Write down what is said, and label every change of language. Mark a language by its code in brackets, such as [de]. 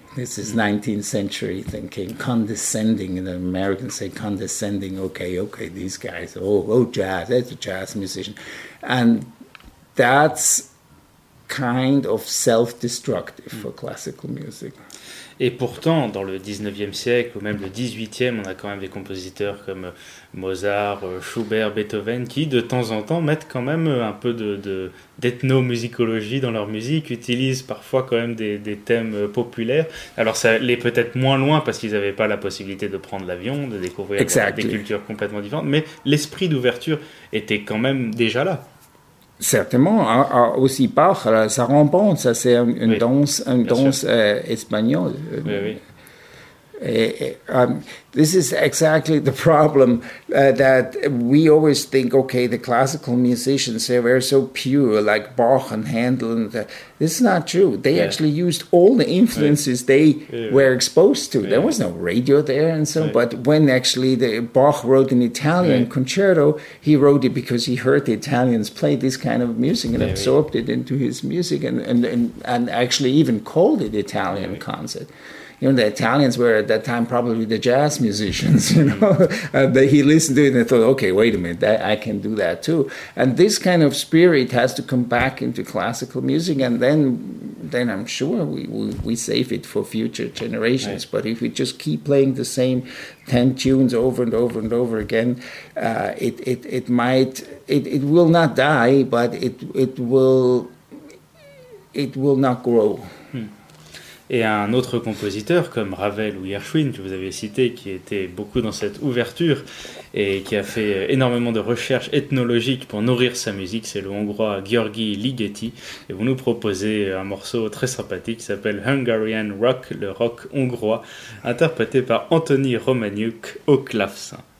[en] This is 19th century thinking, condescending. The Americans say condescending. Okay, these guys, oh, jazz, that's a jazz musician. And that's kind of self-destructive for classical music. [fr] Et pourtant, dans le 19e siècle, ou même le 18e, on a quand même des compositeurs comme Mozart, Schubert, Beethoven, qui, de temps en temps, mettent quand même un peu d'ethnomusicologie dans leur musique, utilisent parfois quand même des thèmes populaires. Alors, ça allait peut-être moins loin, parce qu'ils n'avaient pas la possibilité de prendre l'avion, de découvrir des cultures complètement différentes, mais l'esprit d'ouverture était quand même déjà là. Certainement, aussi Bach, ça rembourse, ça c'est une danse, une danse espagnole. Oui, oui. [en] This is exactly the problem that we always think, okay, the classical musicians, they were so pure, like Bach and Handel. This is not true. They actually used all the influences were exposed to. Yeah. There was no radio there and so on. Yeah. But when actually Bach wrote an Italian concerto, he wrote it because he heard the Italians play this kind of music and absorbed it into his music and actually even called it Italian concert. You know, the Italians were at that time probably the jazz musicians, you know. But he listened to it and thought, okay, wait a minute, I can do that too. And this kind of spirit has to come back into classical music, and then I'm sure we save it for future generations. Right. But if we just keep playing the same 10 tunes over and over and over again, it will not die, but it will not grow. [fr] et un autre compositeur comme Ravel ou Gershwin, que vous avez cité, qui était beaucoup dans cette ouverture et qui a fait énormément de recherches ethnologiques pour nourrir sa musique, c'est le Hongrois Gyorgy Ligeti. Et vous nous proposez un morceau très sympathique qui s'appelle Hungarian Rock, le rock hongrois, interprété par Anthony Romaniuk au clavecin.